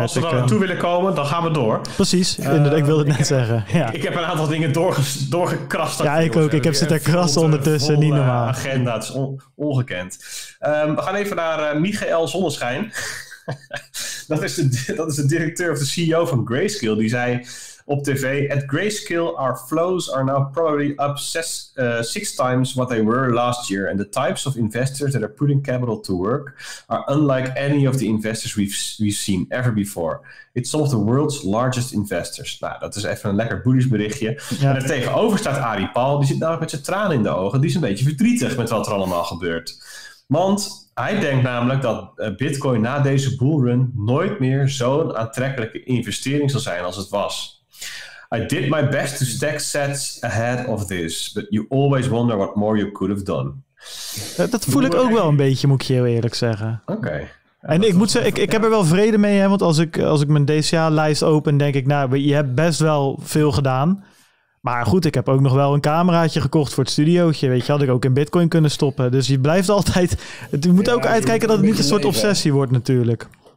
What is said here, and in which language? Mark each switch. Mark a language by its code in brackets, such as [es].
[nl] Als we daar naartoe willen komen, dan gaan we door. Precies, inderdaad, ik wilde het net zeggen. Ja. Ik heb een aantal dingen doorgekrast. Ja, ik ook. Ik heb zitten krassen ondertussen, niet normaal. Agenda, het is ongekend. We gaan even naar Michael Zonneschijn. dat is de directeur of de CEO van Grayscale. Die zei op tv, [en] at Grayscale, our flows are now probably up six times what they were last year. And the types of investors that are putting capital to work are unlike any of the investors we've seen ever before. It's some of the world's largest investors. [nl] Nou, dat is even een lekker boeddhisch berichtje. Ja. En er tegenover staat Arie Paul, die zit namelijk met zijn tranen in de ogen. Die is een beetje verdrietig met wat er allemaal gebeurt. Want hij denkt namelijk dat Bitcoin na deze bullrun nooit meer zo'n aantrekkelijke investering zal zijn als het was. [en] I did my best to stack sats ahead of this, but you always wonder what more you could have done. [nl] Dat voel ik ook wel een beetje, moet ik je heel eerlijk zeggen. Oké. Okay. En ik moet zeggen, ik heb er wel vrede mee, hè, want als ik mijn DCA-lijst open, denk ik, nou, je hebt best wel veel gedaan. Maar goed, ik heb ook nog wel een cameraatje gekocht voor het studiootje. Weet je, had ik ook in Bitcoin kunnen stoppen. Dus je blijft altijd. Je moet ook uitkijken dat het niet een soort obsessie wordt, natuurlijk.